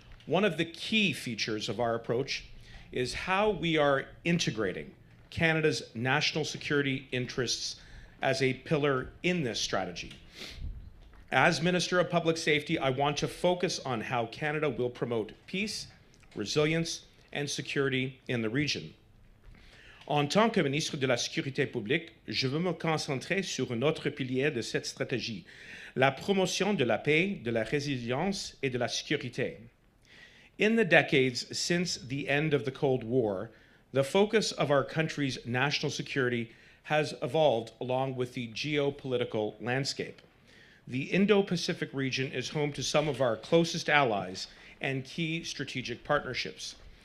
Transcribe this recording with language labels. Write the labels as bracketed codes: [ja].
[en] One of the key features of our approach is how we are integrating Canada's national security interests as a pillar in this strategy. As Minister of Public Safety, I want to focus on how Canada will promote peace, resilience, and security in the region. [fr] En tant que ministre de la Sécurité publique, je veux me concentrer sur un autre pilier de cette stratégie, la promotion de la paix, de la résilience et de la sécurité. [en] In the decades since the end of the Cold War, the focus of our country's national security has evolved along with the geopolitical landscape. The Indo-Pacific region is home to some of our closest allies and key strategic partnerships.